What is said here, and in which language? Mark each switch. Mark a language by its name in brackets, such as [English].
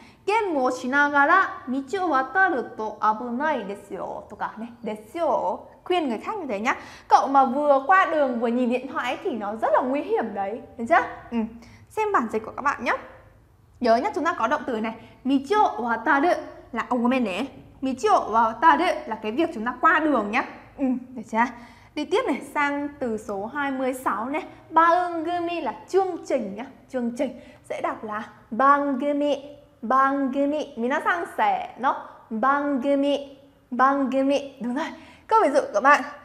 [Japanese] ゲームをしながら道を渡ると危ないですよとかね。ですよ。 [Vietnamese] Khuyên người khác như thế nhá. Cậu mà vừa qua đường vừa nhìn điện thoại thì nó rất là nguy hiểm đấy. Được chưa? Ừ. Xem bản dịch của các bạn nhé. Nhớ nhá, chúng ta có động từ này. [Japanese] 道を渡る [Vietnamese] là ông [Japanese] ごめんね. [Vietnamese] 道を渡る là cái việc chúng ta qua đường nhá. Ừ, được chưa? Đi tiếp này, sang từ số 26 này. Bangumi là chương trình nhá. Chương trình sẽ đọc là bangumi. Bangumi, mình đã sẻ nó. Bangumi, bangumi, đúng rồi. Câu ví dụ các bạn.